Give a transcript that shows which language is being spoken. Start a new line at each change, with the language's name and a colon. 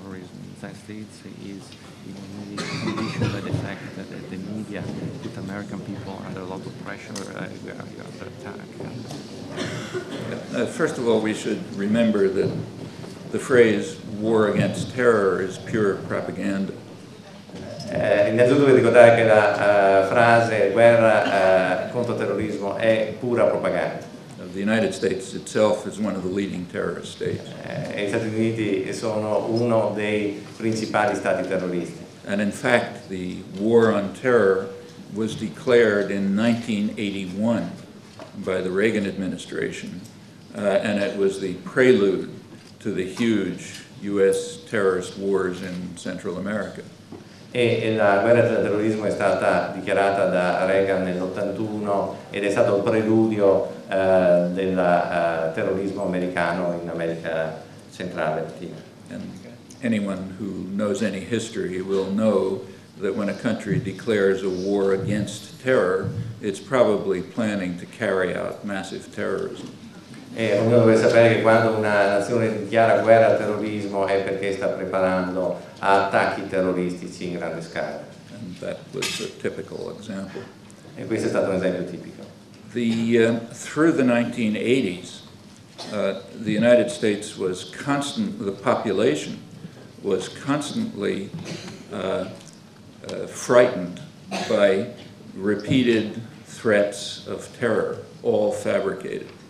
English: Condition by the fact that the media put American people under a lot of pressure under attack. First of all, we should remember that the phrase "war against terror" is pure propaganda.
Italian: Innanzitutto, voglio ricordare che la frase "guerra contro terrorismo" è pura propaganda.
English: The United States itself is one of the leading terrorist states.
Italian: Gli Stati Uniti sono uno dei principali stati terroristi.
English: And in fact, the war on terror was declared in 1981 by the Reagan administration, and it was the prelude to the huge U.S. terrorist wars in Central America.
Italian: E la guerra del terrorismo è stata dichiarata da Reagan nell'81 ed è stato il preludio del terrorismo americano in America centrale latina.
English: Anyone who knows any history will know that when a country declares a war against terror, it's probably planning to carry out massive terrorism.
Italian: E uno deve sapere che quando una nazione dichiara guerra al terrorismo è perché sta preparando attacchi terroristici in grande scala.
English: And that was a typical example.
Italian: E questo è stato un esempio tipico.
English: Through the 1980s, the United States was constant, the population was constantly frightened by repeated threats of terror, all fabricated.